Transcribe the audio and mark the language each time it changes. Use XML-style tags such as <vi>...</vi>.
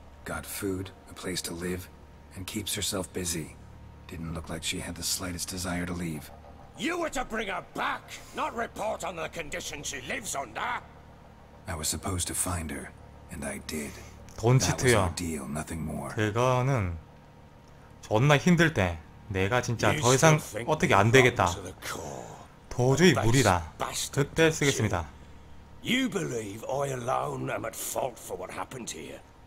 <en>Got food, a place to live, and keeps herself busy. Didn't look like she had the slightest desire to leave. You were to bring her back, not report on the condition she lives under. I was supposed to find her. And I did.</en> <ko>돈 치트야. 그거는 존나 힘들 때 내가 진짜 더 이상 어떻게 안 되겠다. 도저히 무리다. 그때 쓰겠습니다.</ko> <en>You believe I alone am at fault for what happened here.</en>